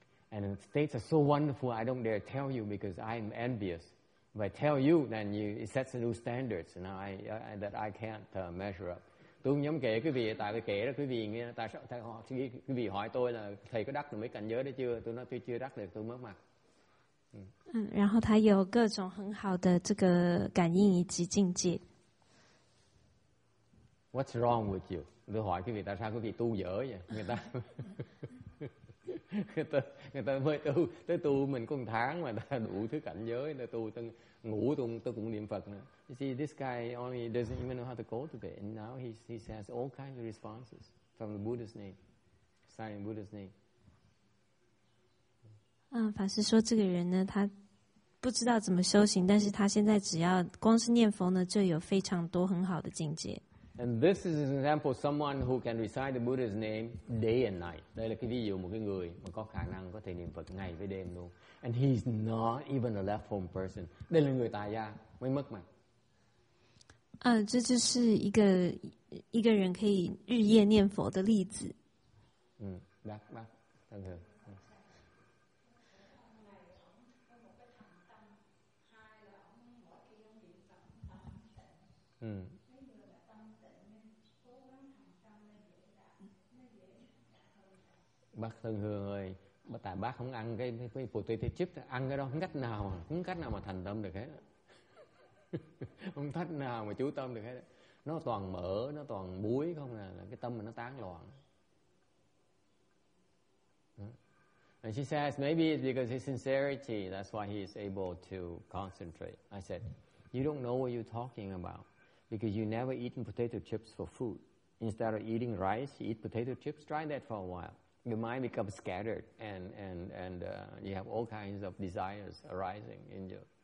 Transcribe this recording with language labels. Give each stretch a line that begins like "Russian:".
English: And the states are so wonderful, I don't dare tell you because I am envious. If I tell you, then it sets a new standards and I can't measure up.
Vietnamese: Tôi không dám kể quý vị, tại vì kể đó quý vị nghe, tại sao thầy hỏi, quý vị hỏi tôi là thầy có đắc được mấy cảnh giới đó chưa? Tôi nói tôi chưa đắc được, tôi mất mặt.
Chinese: 然后他有各种很好的这个感应以及境界。
English: What's wrong with you?
Vietnamese: Tôi hỏi quý vị tại sao quý vị tu dở vậy? Người ta người ta mới tu, tới tu mình có một tháng mà ta đủ thứ cảnh giới, ta tu tới ngủ tôi cũng niệm Phật nữa.
English: You see, this guy only doesn't even know how to cultivate, and now he has all kinds of responses from the Buddha's name, signing Buddha's name.
Chinese: 法师说这个人呢，他不知道怎么修行，但是他现在只要光是念佛呢，就有非常多很好的境界。
English: And this is an example of someone who can recite the Buddha's name day and night.
Vietnamese: Đây là cái ví dụ một cái người mà có khả năng có thể niệm Phật ngày với đêm luôn.
English: And he's not even a left home person.
Vietnamese: Đây là người tại gia, mới mất mà.
Chinese: 这就是一个人可以日夜念佛的例子。
Vietnamese: Đắc, thân thường. Bác thân thường ơi, tại bác không ăn cái potato chip, ăn cái đó không cách nào mà thành tâm được hết. Không cách nào mà chú tâm được hết. Nó toàn mỡ, nó toàn muối không à, là cái tâm mà nó tán loạn.
English: And she says, maybe it's because his sincerity, that's why he is able to concentrate. I said, you don't know what you're talking about because you never eaten potato chips for food. Instead of eating rice, you eat potato chips, try that for a while. Your mind becomes scattered, and you have all kinds of desires arising in you.